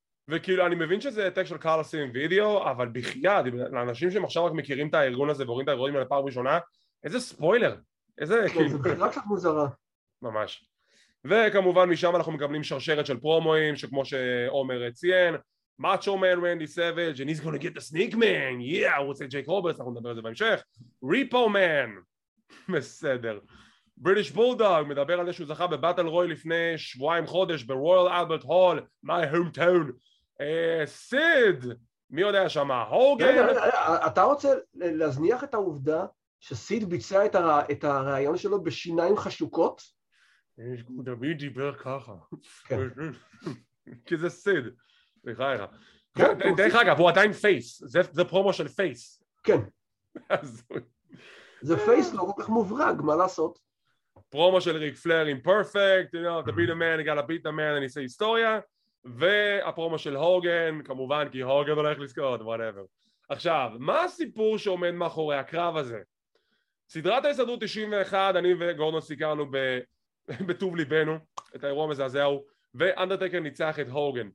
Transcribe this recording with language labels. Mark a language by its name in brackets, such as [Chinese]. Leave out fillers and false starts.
[Hebrew] וכאילו, אני מבין שזה טק של קרלסים וידאו, אבל בחייאת, לאנשים שמחשב רק מכירים את הארגון הזה ורואים את האירועים האלה פעם ראשונה, איזה ספוילר. איזה... זה רק שאת מוזרה. ממש. וכמובן, משם אנחנו מקבלים שרשרת של פרומואים, שכמו שעומר ציין, [English] Macho Man Randy Savage, and he's going to get the Snake Man. Yeah, I would say Jake Roberts. [Hebrew] אנחנו נדבר על זה בהמשך. Repo Man. בסדר. British Bulldog מדבר על זה שהוא זכה בבטל רוי לפני שבועיים חודש ב-Royal Albert Hall, [English] my hometown. [Hebrew] סיד. מי יודע שמה? הוגן. אתה רוצה להזניח את העובדה שסיד ביצע את הרעיון שלו בשיניים חשוקות? הוא דמיד דיבר ככה. כי זה סיד. בחייך. דרך אגב, הוא עדיין פייס. זה פרומו של פייס. כן. זה פייס לא כל כך מוברג, מה לעשות? פרומו של ריק פלר עם פרפקט, [English] you know, to beat a man, [Hebrew] you gotta beat a man, אני אעשה היסטוריה. והפרומו של הוגן, כמובן, כי הוגן הולך לזכות, whatever. עכשיו, מה הסיפור שעומד מאחורי הקרב הזה? סדרת ההסתדרות 91, אני וגורדון סיכרנו בטוב ליבנו, את האירוע מזעזע הוא, ואנדרטקר ניצח את הוגן.